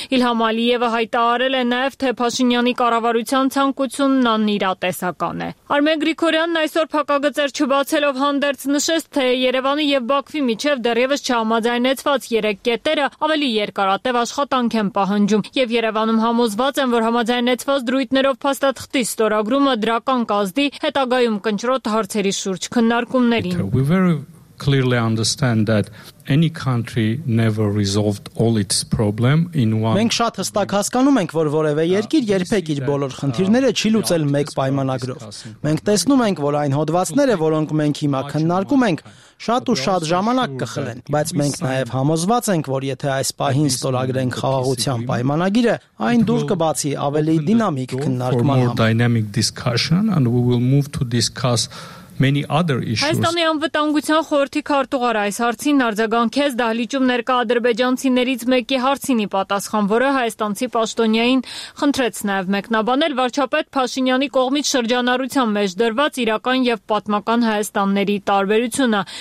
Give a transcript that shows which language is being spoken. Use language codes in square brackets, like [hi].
[hy] Իլհամ Ալիևը հայտարարել է նաև, թե Փաշինյանի կառավարության ցանկությունն անիրատեսական է։ Արմեն Գրիգորյանն այսօր փակագծեր չբացելով հանդերձ նշեց, թե Երևանի և Բաքվի միջև դեռևս չհամաձայնեցված երեք կետերը ավելի երկարատև աշխատանք են պահանջում, և Երևանում համոզված են, որ համաձայնեցված դրույթներով փաստաթղթի ստորագրումը դրական կազդի հետագայում կնճռոտ հարցերի շուրջ քննարկումներ։ [en] We very clearly understand that any country never resolved all its problem in one. [hy] Մենք շատ հստակ հասկանում ենք, որ որևէ երկիր երբեք իր բոլոր խնդիրները չի լուծել մեկ պայմանագրով։ Մենք տեսնում ենք, որ այն հոդվածները, որոնք մենք հիմա քննարկում ենք, շատ ու շատ ժամանակ կխլեն, բայց մենք նաև համոզված ենք, որ եթե այս պահին ստորագրենք խաղաղության պայմանագիրը, այն դուր կբացի ավելի դինամիկ քննարկման։ [en] Many other issues. [hy] Հայաստանի անվտանգության խորհրդի քարտուղար այս հարցին արձագանքեց դահլիճում ներկա ադրբեջանցիներից մեկի հարցինի պատասխան, որը հայաստանցի պաշտոնյային խնդրեց նաև մեկնաբանել վարչապետ Փաշինյանի կողմից շրջանառության մեջ դրված իրական և պատմական հայաստանների տարբերությունը։